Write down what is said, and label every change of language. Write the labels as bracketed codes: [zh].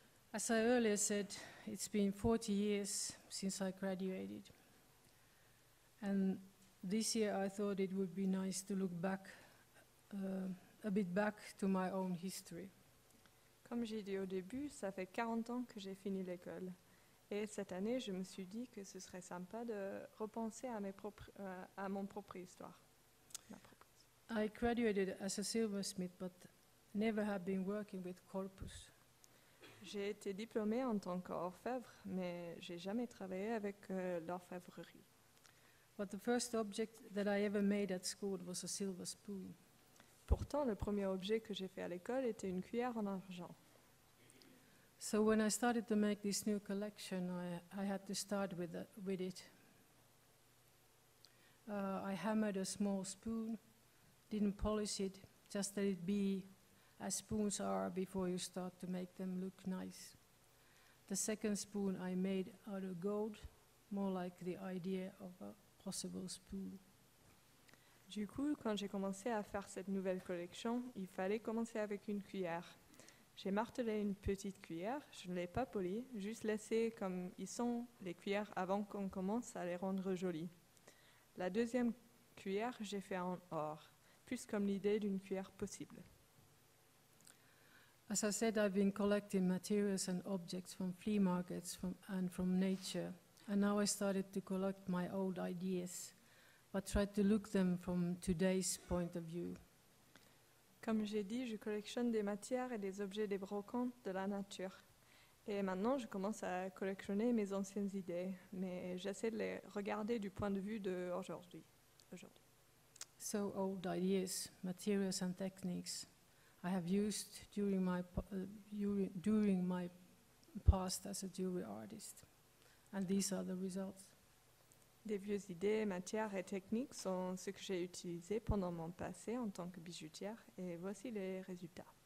[en] As I earlier said, it's been 40 years since I graduated. And this year I thought it would be nice to look back, a bit back to my own history. [fr] Comme j'ai dit au début, ça fait 40 ans que j'ai fini l'école. Et cette année, je me suis dit que ce serait sympa de repenser à, mon propre histoire. [en] I graduated as a silversmith, but never have been working with corpus. [fr] J'ai été diplômée en tant qu'orfèvre, mais j'ai jamais travaillé avec l'orfèvrerie. [en] But the first object that I ever made at school was a silver spoon. [fr] Pourtant, le premier objet que j'ai fait à l'école était une cuillère en argent. [en] So when I started to make this new collection, I had to start with it. I hammered a small spoon, didn't polish it, just let it be as spoons are before you start to make them look nice. The second spoon I made out of gold, more like the idea of a possible spoon. [fr] Du coup, quand j'ai commencé à faire cette nouvelle collection, il fallait commencer avec une cuillère. J'ai martelé une petite cuillère, je ne l'ai pas polie, juste laissé comme ils sont les cuillères avant qu'on commence à les rendre jolies. La deuxième cuillère, j'ai fait en or, plus comme l'idée d'une cuillère possible. [en] As I said, I've been collecting materials and objects from flea markets and from nature. And now I started to collect my old ideas, but tried to look them from today's point of view. [fr] Comme j'ai dit, je collectionne des matières et des objets des brocantes de la nature. Et maintenant, je commence à collectionner mes anciennes idées, mais j'essaie de les regarder du point de vue d'aujourd'hui. [en] So old ideas, materials and techniques I have used during my past as a jewelry artist, and these are the results. [fr] Des vieilles idées, matières et techniques sont ce que j'ai utilisé pendant mon passé en tant que bijoutière, et voici les résultats.